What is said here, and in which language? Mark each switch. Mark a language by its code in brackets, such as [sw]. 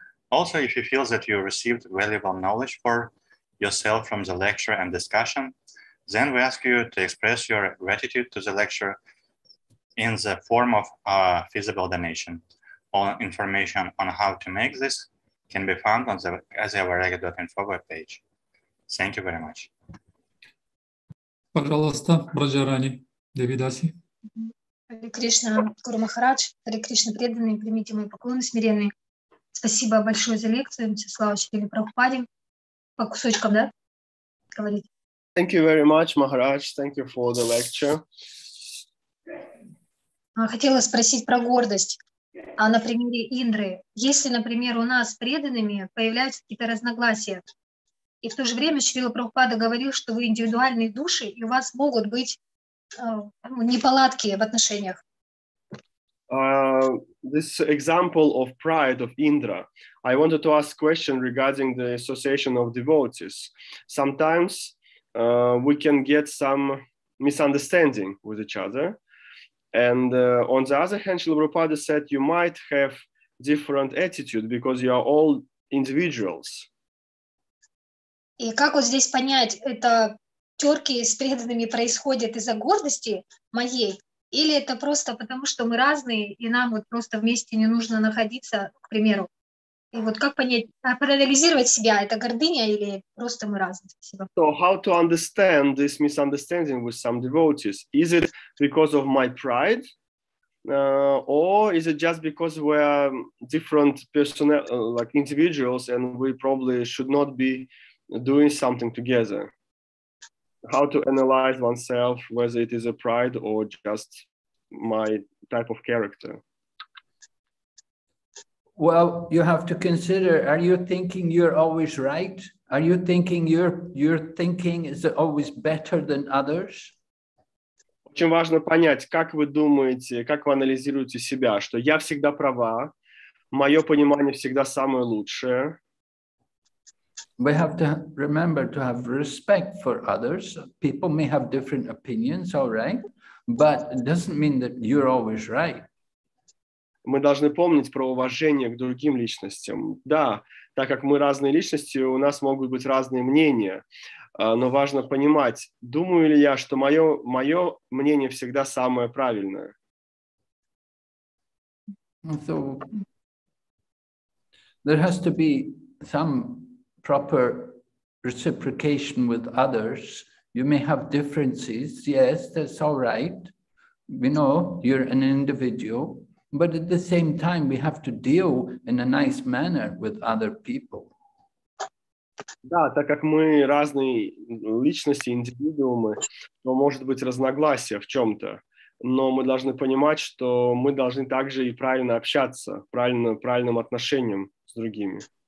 [en] Also, if you feel that you received valuable knowledge for yourself from the lecture and discussion, then we ask you to express your gratitude to the lecture in the form of a feasible donation. All information on how to make this can be found on the asiavairagya.info webpage. Thank you very much. [ru] Пожалуйста, Браджарани, Девидаси. Hare Krishna, Guru Maharaj, Hare Krishna, преданные, примите мои поклоны, смиренные. Спасибо большое за лекцию, Мсислава Чили Прабхупаде. По кусочкам, да? Говорите. [en] Thank you very much, Maharaj. Thank you for the lecture. [ru] Хотела спросить про гордость. А на примере Индры, если, например, у нас преданными появляются какие-то разногласия, и в то же время Чили Прабхупада говорил, что вы индивидуальные души, и у вас могут быть неполадки в отношениях. [en] This example of pride of Indra, I wanted to ask a question regarding the association of devotees. Sometimes we can get some misunderstanding with each other. And on the other hand, Srila Prabhupada said you might have different attitude because you are all individuals. [ru] И как вот здесь понять, это терки с преданными происходят из-за гордости моей? Или это просто потому, что мы разные, и нам вот просто вместе не нужно находиться, к примеру. И вот как понять, проанализировать себя, это гордыня или просто мы разные? Спасибо. [en] So how to understand this misunderstanding with some devotees? Is it because of my pride? Or is it just because we are different personnel, like individuals, and we probably should not be doing something together? How to analyze oneself, whether it is a pride or just my type of character? Well, you have to consider, are you thinking you're always right? Are you thinking your thinking is always better than others? [ru] Очень важно понять, как вы думаете, как вы анализируете себя, что я всегда права, мое понимание всегда самое лучшее. [en] We have to remember to have respect for others. People may have different opinions, all right, but it doesn't mean that you're always right. [ru] Мы должны помнить про уважение к другим личностям. Да, так как мы разные личности, у нас могут быть разные мнения. Но важно понимать, думаю ли я, что мое мнение всегда самое правильное. [en] So, there has to be some proper reciprocation with others. You may have differences. Yes, that's all right. We know you're an individual. But at the same time, we have to deal in a nice manner with other people. [ru] Да, так как мы разные личности, индивидуумы, то может быть разногласия в чем-то, но мы должны понимать, что мы должны также и правильно общаться, правильным отношением с другими.